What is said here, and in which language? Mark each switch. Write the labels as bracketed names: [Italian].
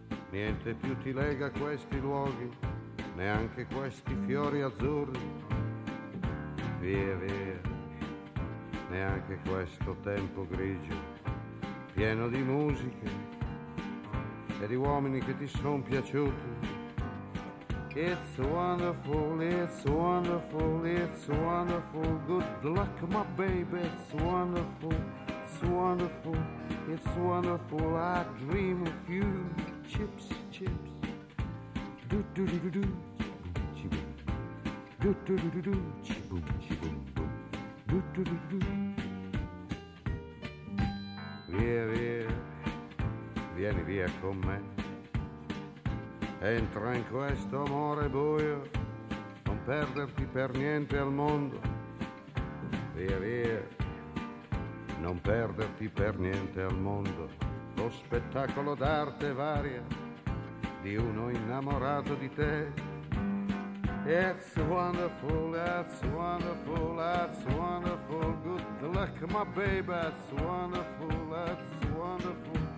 [Italian] Niente più ti lega a questi luoghi, neanche questi fiori azzurri. Via, via, neanche questo tempo grigio, pieno di musiche e di uomini che ti son piaciuti. [English] It's wonderful, it's wonderful, it's wonderful. Good luck, my baby, it's wonderful. It's wonderful, it's wonderful. I dream of you. Chips, chips. Do do do do do. Chiboom, chiboom. Do do do do do. Chiboom, chiboom, boom. Do do do do. [Italian] Via, via. Vieni via con me. Entra in questo amore buio. Non perderti per niente al mondo. Via, via. Non perderti per niente al mondo, lo spettacolo d'arte varia di uno innamorato di te. [English] It's wonderful, that's wonderful, that's wonderful. Good luck, my baby, that's wonderful, it's wonderful.